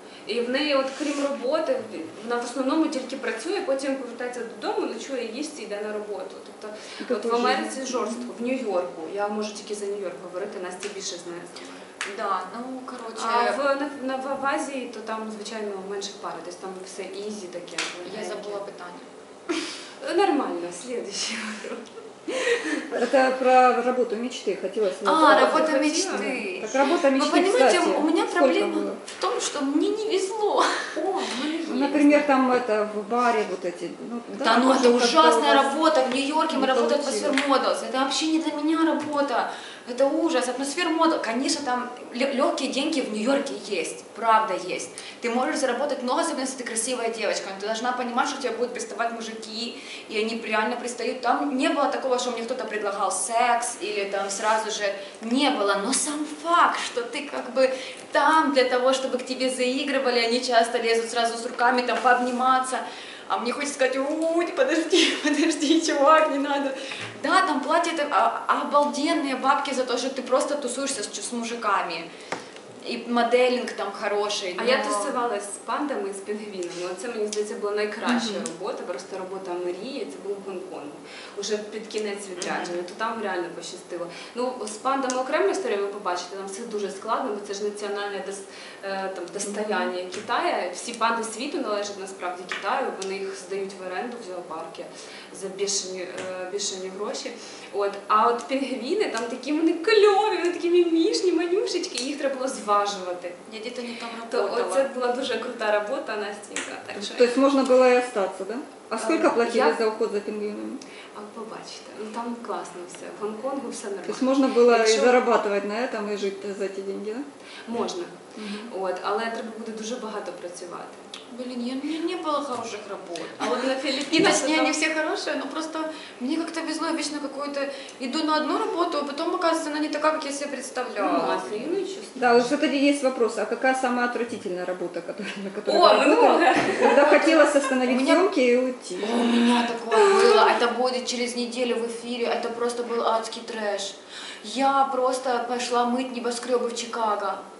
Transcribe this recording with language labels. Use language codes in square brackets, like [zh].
[uk] І в неї, от крім роботи, вона в основному тільки працює, потім повертається додому, ночує, їсть і йде на роботу. Тобто, от в Америці жорстко, в Нью-Йорку. Я можу тільки за Нью-Йорк говорити, Настя більше знає. [ru] Да, ну, короче. [uk] А в Азії, то там, звичайно, менше пари, десь там все ізі таке. Я забула питання. [ru] Нормально, следующий вопрос. Это про работу мечты хотелось. А, работа мечты. Так работа мечты, кстати. Вы понимаете, у меня проблема в том, что мне не везло. Например, там это в баре вот эти. Да, ну это ужасная работа. В Нью-Йорке мы работаем по Sphere Models. Это вообще не для меня работа. Это ужас. Atmosphere Model. Конечно, там легкие деньги в Нью-Йорке есть. Правда есть. Ты можешь заработать много, особенно если ты красивая девочка. Но ты должна понимать, что тебя будут приставать мужики. И они реально пристают. Там не было такого, что мне кто-то предлагал секс. Или там сразу же не было. Но сам факт, что ты как бы там для того, чтобы к тебе заигрывали. Они часто лезут сразу с руками там пообниматься. А мне хочется сказать, подожди, чувак, не надо. Да, там платят обалденные бабки за то, что ты просто тусуешься с мужиками. И моделинг там хороший. Я тусувалась с пандами и с пингвинами. Это, мне кажется, была [uk] найкраща [ru] работа, просто работа [uk] мрії. [ru] Это был Гонконг. [uk] Уже під кінець відрядження, то там реально пощастило. Ну, з пандами окрема історія, ви побачите, там все дуже складно, бо це ж національне там, достояння Китаю. Всі панди світу належать насправді Китаю, вони їх здають в оренду в зоопарки за бішені гроші. От. А от пінгвіни, там такі вони кльові, вони такі мімішні, манюшечки, їх треба було зважувати. Я діто не там работала. То це була дуже крута робота, Настінька. Тобто можна було і остатися, так? А скільки платили за уход за пінгвінами? А побачите, ну там класно все, в Гонконгу все нормально. Тобто можна було і зарабатувати на цьому, і жити за ті гроші, так? Можна. Угу. От, але треба буде дуже багато працювати. Блін, я не було хороших робот. А от на Філіппінах... Ні, не всі хороші, але просто мені якось везло, я вічно якусь йду на одну роботу, а потім, виявляється, вона не така, як я себе представляла. Ну, ладно, ну і чисто. [ru] Да, вот кстати, есть вопрос, а какая самая отвратительная работа, на которой ты работала, когда хотелось остановить съемки и уйти? О, у меня такое было, это будет через неделю в эфире, это просто был адский трэш. Я просто пошла мыть небоскребы в Чикаго.